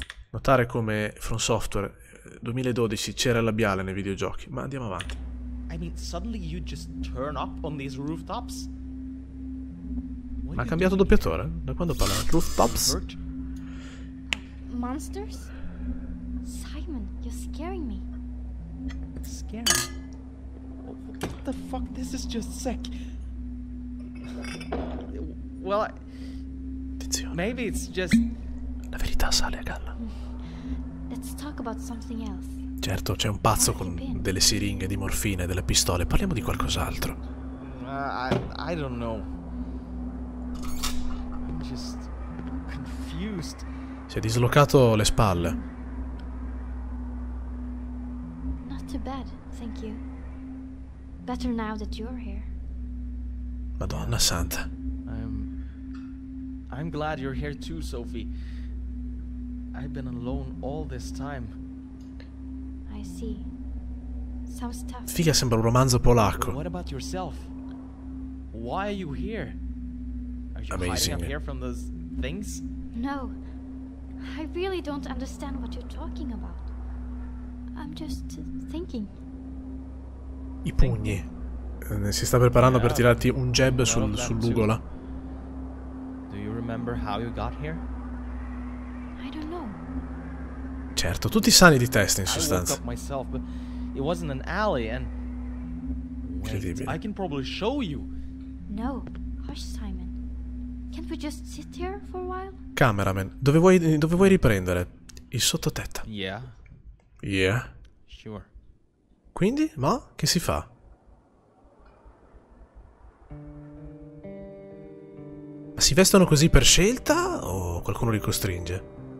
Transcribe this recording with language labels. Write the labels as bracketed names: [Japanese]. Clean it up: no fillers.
[Italian] Notare come From Software 2012 c'era il labiale nei videogiochi, ma andiamo avanti. [English] I mean, suddenly you just turn up on these rooftops? [Italian] Ma ha cambiato doppiatore? Da quando parla? Rooftops? [English] Monsters? Simon, you're scaring me. Scaring? What the fuck? This is just sick. Well, [Italian] attenzione. [English] Maybe it's just... [Italian] La verità sale a galla. [English] Let's talk about something else. [Italian] Certo, c'è un pazzo con delle siringhe di morfina e delle pistole. Parliamo di qualcos'altro. [English] I don't know. I'm just confused. [Italian] Si è dislocato le spalle. [English] Not too bad, thank you. Better now that you're here. [Italian] Madonna santa. [English] I'm glad you're here too, Sophie. I've been alone all this time. I see. Sounds tough. [Italian] Figa, sembra un romanzo polacco. [English] But what about yourself? Why are you here? Are you Amazing. Hiding up here from those things? No. I really don't understand what you're talking about. I'm just thinking. [Italian] I pugni. Si sta preparando per tirarti un jab sull'ugola. [English] Do you remember how you got here? I don't know. [Italian] Certo, tutti sani di testa in sostanza. [English] I woke up myself, but it wasn't an alley and [Italian] incredibile. [English] I can probably show you. No, hush, Simon. Can't we just sit here for a while? [Italian] Cameraman, dove vuoi riprendere? Il sottotetto. [English] Yeah. Yeah. Sure. [Italian] Quindi, ma che si fa? Si vestono così per scelta o qualcuno li costringe?